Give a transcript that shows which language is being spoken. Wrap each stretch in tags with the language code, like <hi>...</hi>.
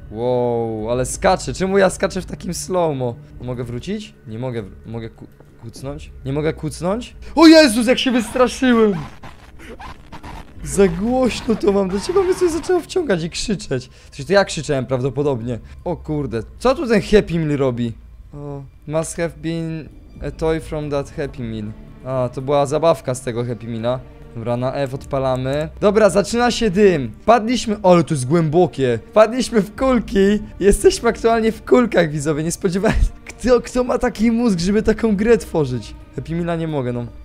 <pl>Wow, ale skaczę, czemu ja skaczę w takim slow-mo? Mogę wrócić? Nie mogę, mogę kucnąć? Nie mogę kucnąć? O Jezus, jak się wystraszyłem! Za głośno to mam, dlaczego mnie coś zaczęło wciągać i krzyczeć? Coś to ja krzyczałem prawdopodobnie. O kurde, co tu ten Happy Meal robi?</pl> <en>O, must have been a toy from that Happy Meal.</en> <pl>A, to była zabawka z tego Happy Meala. Dobra, na F odpalamy. Dobra, zaczyna się dym. Padliśmy, ale tu jest głębokie. Padliśmy w kulki. Jesteśmy aktualnie w kulkach, widzowie. Nie spodziewałem. Kto ma taki mózg, żeby taką grę tworzyć? Happy Meala nie mogę, no.</pl>